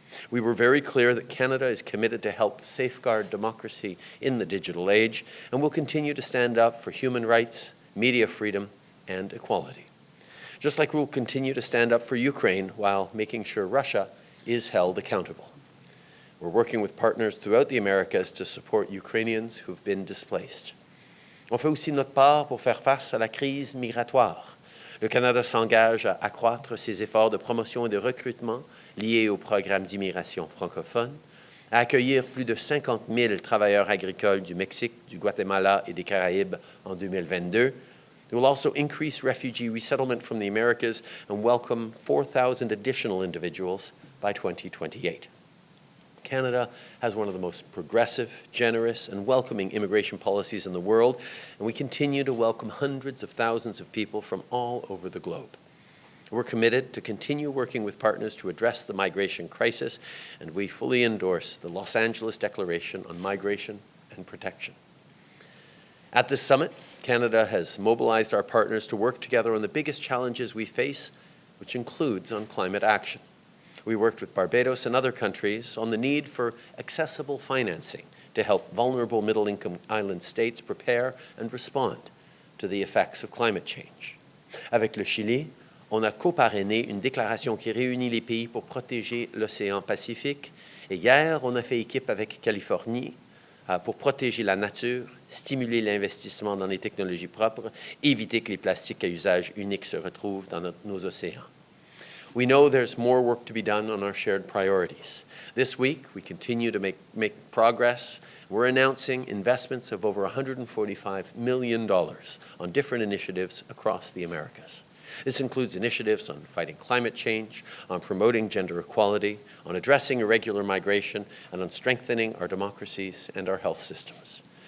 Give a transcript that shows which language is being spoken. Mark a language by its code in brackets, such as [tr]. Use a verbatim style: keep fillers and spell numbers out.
[en] We were very clear that Canada is committed to help safeguard democracy in the digital age, and will continue to stand up for human rights, media freedom, and equality. Just like we'll continue to stand up for Ukraine while making sure Russia is held accountable. We're working with partners throughout the Americas to support Ukrainians who've been displaced. [fr] On fait aussi notre part pour faire face à la crise migratoire. Le Canada s'engage à accroître ses efforts de promotion et de recrutement liés au programme d'immigration francophone, à accueillir plus de cinquante mille travailleurs agricoles du Mexique, du Guatemala et des Caraïbes en deux mille vingt-deux. [en] They will also increase refugee resettlement from the Americas and welcome four thousand additional individuals by twenty twenty-eight. Canada has one of the most progressive, generous, and welcoming immigration policies in the world, and we continue to welcome hundreds of thousands of people from all over the globe. We're committed to continue working with partners to address the migration crisis, and we fully endorse the Los Angeles Declaration on Migration and Protection. At this summit, Canada has mobilized our partners to work together on the biggest challenges we face, which includes on climate action. We worked with Barbados and other countries on the need for accessible financing to help vulnerable middle-income island states prepare and respond to the effects of climate change. [fr] Avec le Chili, on a coparrainé une déclaration qui réunit les pays pour protéger l'océan Pacifique. Et hier, on a fait équipe avec Californie pour protéger la nature, stimuler l'investissement dans les technologies propres, éviter que les plastiques à usage unique se retrouvent dans notre, nos océans. [en] We know there's more work to be done on our shared priorities. This week, we continue to make, make progress. We're announcing investments of over one hundred forty-five million dollars on different initiatives across the Americas. This includes initiatives on fighting climate change, on promoting gender equality, on addressing irregular migration, and on strengthening our democracies and our health systems.